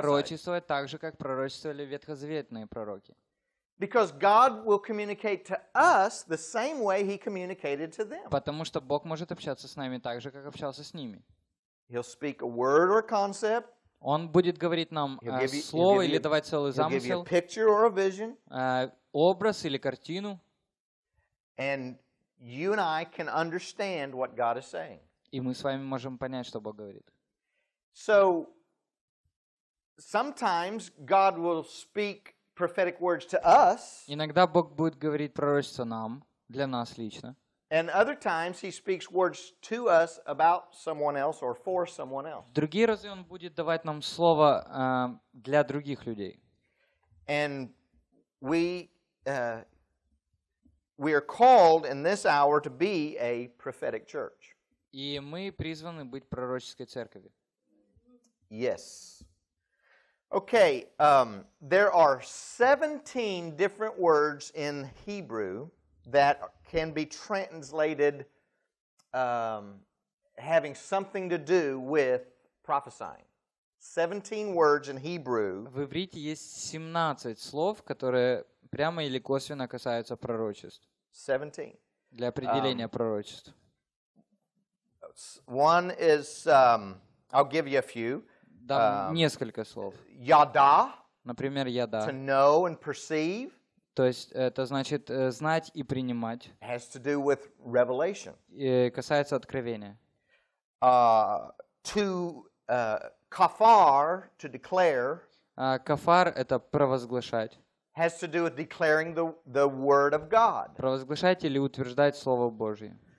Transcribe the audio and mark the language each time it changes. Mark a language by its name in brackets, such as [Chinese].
[Russian] Пророчествовать так же, как пророчествовали ветхозаветные пророки. [English] Because God will communicate to us the same way He communicated to them. [Russian] Потому что Бог может общаться с нами так же, как общался с ними. [English] He'll speak a word or concept. [Russian] Он будет говорить нам слово или давать целый замысел. [English] He'll give you a picture or a vision. [Russian] Образ или картину. [English] And you and I can understand what God is saying. [Russian] И мы с вами можем понять, что Бог говорит. [English] So sometimes God will speak prophetic words to us. [Russian] Иногда Бог будет говорить пророчество нам, для нас лично. [English] And other times he speaks words to us about someone else or for someone else. [Russian] Другие разы он будет давать нам слово для других людей. [English] And we are called in this hour to be a prophetic church. [Russian] И мы призваны быть пророческой церковью. [English] Yes. Okay, there are 17 different words in Hebrew that can be translated having something to do with prophesying. 17 words in Hebrew. [Russian] В иврите есть 17 слов, которые прямо или косвенно касаются пророчеств. [English] 17. [Russian] Для определения пророчеств. [English] One is, I'll give you a few. [Russian] Да, несколько слов. Яда. Например, яда. [English] To know and perceive. [Russian] То есть это значит знать и принимать. [English] Has to do with revelation. [Russian] И касается откровения. [English] Kafar, to declare. [Russian] Кафар — это провозглашать. [English] Has to do with declaring the word of God. [Russian] Провозглашать или утверждать слово Божие.